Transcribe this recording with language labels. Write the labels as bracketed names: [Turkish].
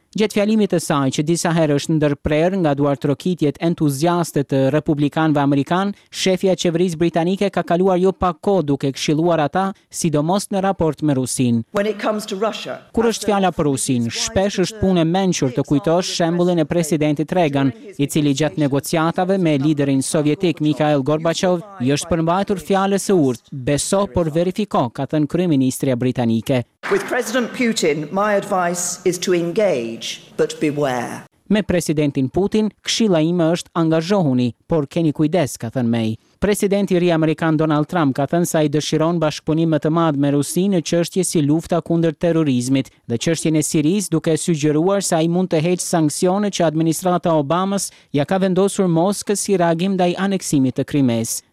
[Albanian] Gjatë fjalimit të saj që disa herë është ndërprerë nga duartrokitjet entuziaste të republikanëve amerikan, shefja e qeverisë britanike ka kaluar jo pa kohë duke këshilluar ata, sidomos në raport me Rusinë. Kur është fjala për Rusinë, shpesh është punë e mençur të kujtosh shembullin e presidentit Reagan, I cili gjatë negociatave me liderin sovjetik Mikhail Gorbachev I është përmbajtur fjalës së urtë: "Beso por verifiko", ka thënë kryeministria britanike. [English] With President Putin, my advice is to engage, but beware. [Albanian] Me presidentin Putin, këshilla ime është angazhohuni, por keni kujdes, ka thënë May. Presidenti I ri amerikan Donald Trump ka thënë se ai dëshiron bashkëpunim më të madh me Rusinë në çështje si lufta kundër terrorizmit dhe çështjen e Sirisë, duke sugjeruar se ai mund të heqë sanksionet që administrata Obamas ja ka vendosur Moskës si reagim ndaj aneksimit të Krimes.